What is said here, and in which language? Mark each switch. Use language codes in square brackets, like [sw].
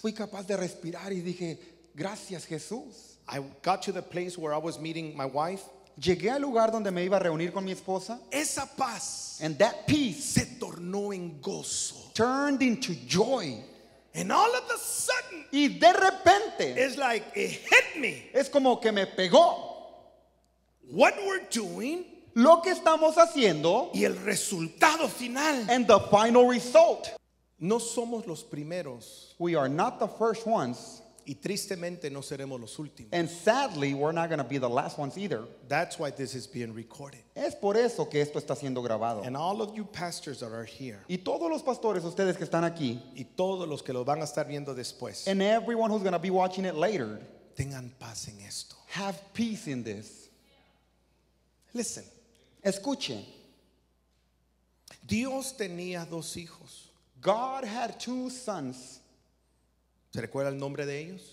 [es] Fui capaz de respirar y dije, gracias, Jesús. [en] I got to the place where I was meeting my wife. [es] Llegué al lugar donde me iba a reunir con mi esposa. Esa paz. [en] And that peace. [es] Se tornó en gozo. [en] Turned into joy. And all of a sudden. [es] Y de repente. [en] It's like it hit me. [es] Es como que me pegó. [en] What we're doing. [es] Lo que estamos haciendo. Y el resultado final. [en] And the final result. [es] No somos los primeros. [en] We are not the first ones. [es] Y tristemente no seremos los últimos. [en] And sadly, we're not going to be the last ones either. That's why this is being recorded. [es] Es por eso que esto está siendo grabado. [en] And all of you pastors that are here. [es] Y todos los pastores, ustedes que están aquí. Y todos los que lo van a estar viendo después. [en] And everyone who's going to be watching it later. [es] Tengan paz en esto. [en] Have peace in this. Listen. [es] Escuche. Dios tenía dos hijos. [en] God had 2 sons. [es] ¿Se recuerda el nombre de ellos?